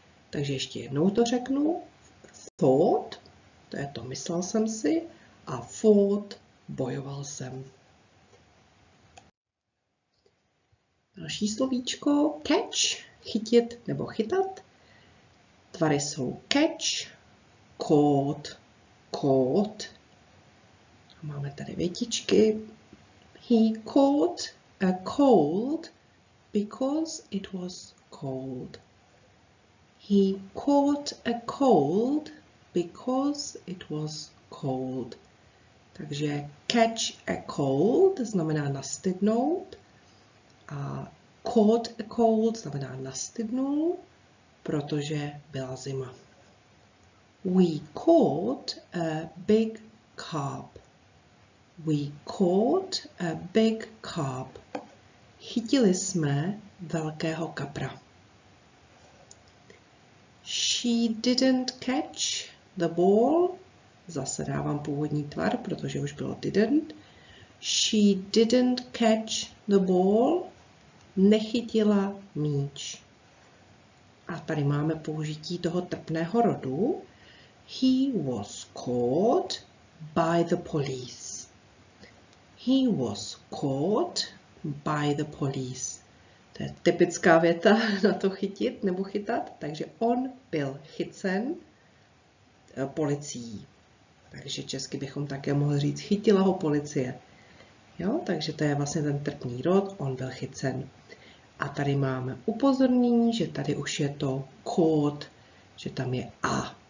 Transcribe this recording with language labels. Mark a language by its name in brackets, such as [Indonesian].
[Czech] Takže ještě jednou to řeknu. Thought, to je to, myslel jsem si, a fought, bojoval jsem. Další slovíčko, catch, chytit nebo chytat. Tvary jsou catch, caught, caught. Máme tady větičky. [English] He caught a cold because it was cold. He caught a cold because it was cold. [Czech] Takže [English] catch a cold [Czech] znamená nastydnout. A [English] caught a cold [Czech] znamená nastydnul, protože byla zima. [English] We caught a big carp. We caught a big carp. [Czech] Chytili jsme velkého kapra. [English] She didn't catch the ball. [Czech] Zase dávám původní tvar, protože už bylo didn't. [English] She didn't catch the ball. [Czech] Nechytila míč. A tady máme použití toho trpného rodu. [English] He was caught by the police. He was caught by the police. [Czech] To je typická věta na to chytit nebo chytat, takže on byl chycen policií. Takže česky bychom také mohli říct, chytila ho policie. Jo? Takže to je vlastně ten trpný rod, on byl chycen. A tady máme upozornění, že tady už je to caught, že tam je a.